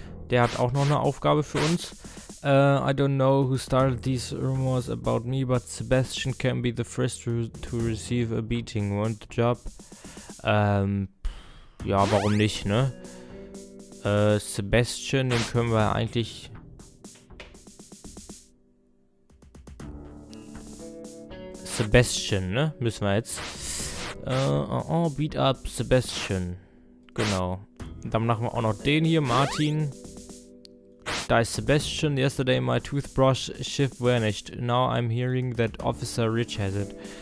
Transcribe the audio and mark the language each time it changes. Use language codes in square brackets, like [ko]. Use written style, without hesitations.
[de] Der hat auch noch eine Aufgabe für uns. [en] I don't know who started these rumors about me, but Sebastian can be the first to receive a beating. Want the job? [de] Ja, warum nicht, ne? Sebastian, den können wir eigentlich... Sebastian, ne? Müssen wir jetzt. [en] Beat up Sebastian. [de] Genau. Dann machen wir auch noch den hier, Martin. Da ist Sebastian. [en] Yesterday my toothbrush shift vanished. Now I'm hearing that Officer Rich has it.